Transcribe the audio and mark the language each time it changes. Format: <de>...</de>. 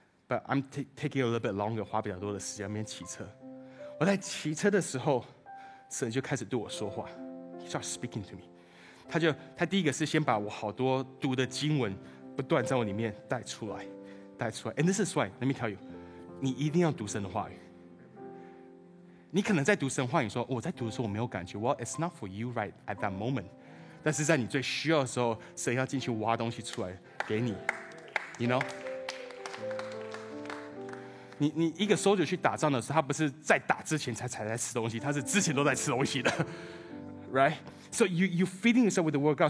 <en>But I'm taking a little bit longer，</en> <zh>花比较多的时间在那边骑车。我在骑车的时候，神就开始对我说话 ，</zh> <en>He starts speaking to me。</en> <zh>他第一个是先把我好多读的经文不断在我里面带出来。</zh> <en>And this is why， let me tell you，</en> <zh>你一定要读神的话语。你可能在读神话语说，我在读的时候我没有感觉。</zh> <en>Well, it's not for you right at that moment。</en> <zh>但是在你最需要的时候，神要进去挖东西出来给你。</zh> <en>You know？</en> <zh>你一个 soldier 去打仗的时候，他不是在打之前才在吃东西，他是之前都在吃东西的。</zh> <en>Right？ So you feeding yourself with the word of God。</en>